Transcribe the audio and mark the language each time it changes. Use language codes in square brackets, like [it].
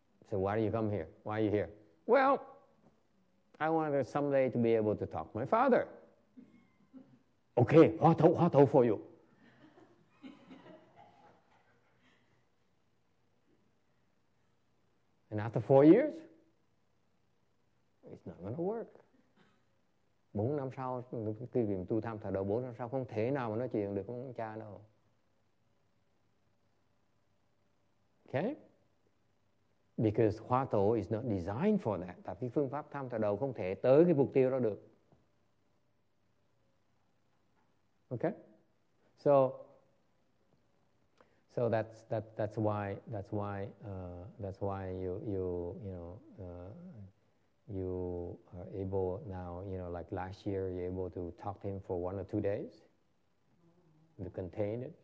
[en] So why do you come here? Why are you here? Well, I wanted someday to be able to talk to my father. Okay, hóa độ for you. And after 4 years, it's not going to work. [vi] 4 năm sau, khi vì tu tham thở đầu 4 năm sau, không thể nào mà nói chuyện được với cha đâu. [en] Okay? Because hóa độ is not designed for that. [vi] Tại vì phương pháp tham thở đầu không thể tới cái mục tiêu đó được. [en] Okay? So that's why you are able now, you know, like last year you're able to talk to him for 1 or 2 days to contain it.